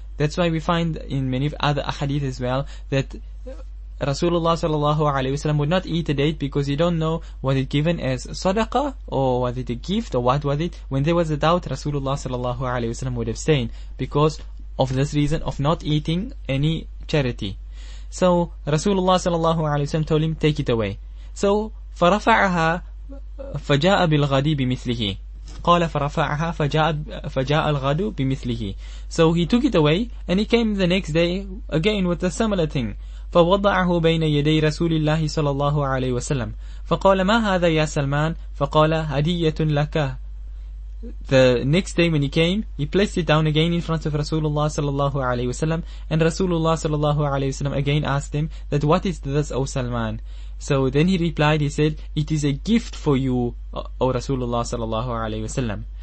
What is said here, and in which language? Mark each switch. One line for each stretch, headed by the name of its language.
English: That's why we find in many other ahadith as well that Rasulullah sallallahu alayhi wasallam would not eat a date because he don't know was it given as sadaqah or was it a gift or what was it. When there was a doubt, Rasulullah sallallahu alayhi wasallam would abstain because of this reason of not eating any charity. So Rasulullah sallallahu alayhi wasallam told him, take it away.
Arabic: So فرفعها فجاء بالغدي بمثله قال فرفعها فجاء الغد بمثله.
English: So he took it away and he came the next day again with a similar thing.
Arabic: فوضعه بين يدي رسول الله صلى الله عليه وسلم فقال ما هذا يا سلمان فقال هدية لك.
English: The next day when he came, he placed it down again in front of Rasulullah sallallahu alayhi wasallam, and Rasulullah sallallahu alayhi wasallam again asked him that what is this, O Salman? So then he replied, he said, it is a gift for you, O Rasulullah sallallahu alayhi wasallam.